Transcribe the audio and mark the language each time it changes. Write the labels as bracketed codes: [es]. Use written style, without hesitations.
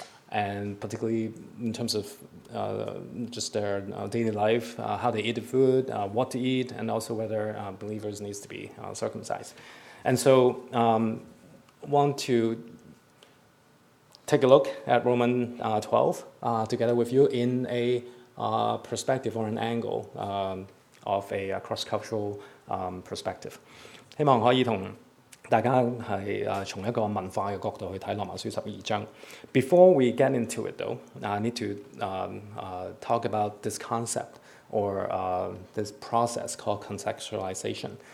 [en] and particularly in terms of just their daily life, how they eat the food, what to eat, and also whether believers need to be circumcised. And so want to take a look at Romans 12 together with you in a perspective or an angle of a cross-cultural perspective. [yue] 希望可以同大家係從一個文化嘅角度去睇羅馬書十二章。 [en] Before we get into it, though, I need to talk about this concept or this process called contextualization.